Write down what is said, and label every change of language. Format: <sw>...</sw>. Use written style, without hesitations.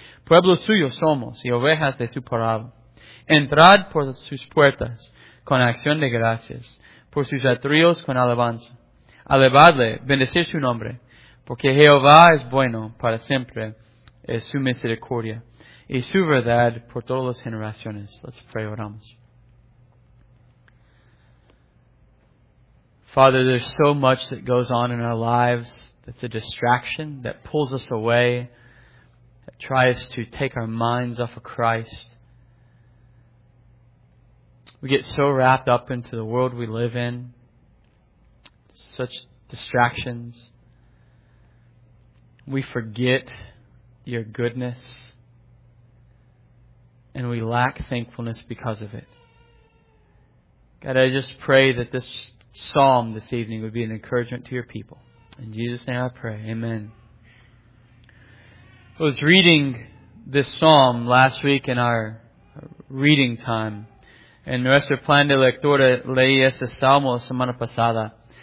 <es>Pueblo suyo somos, y ovejas de su parado. Entrad por sus puertas con acción de gracias. Por sus atrios con alabanza. Alabadle, bendecir su nombre. Porque Jehová es bueno para siempre, es su misericordia, y su verdad por todas las generaciones.</es> <en>Let's pray,</en> <es>oramos.</es> <en>Father, there's so much that goes on in our lives that's a distraction, that pulls us away, that tries to take our minds off of Christ. We get so wrapped up into the world we live in, such distractions. We forget your goodness, and we lack thankfulness because of it. God, I just pray that this psalm this evening would be an encouragement to your people. In Jesus' name I pray, amen. I was reading this psalm last week in our reading time.</en> <es>En nuestro plan de lectura leí ese salmo la semana pasada.</es>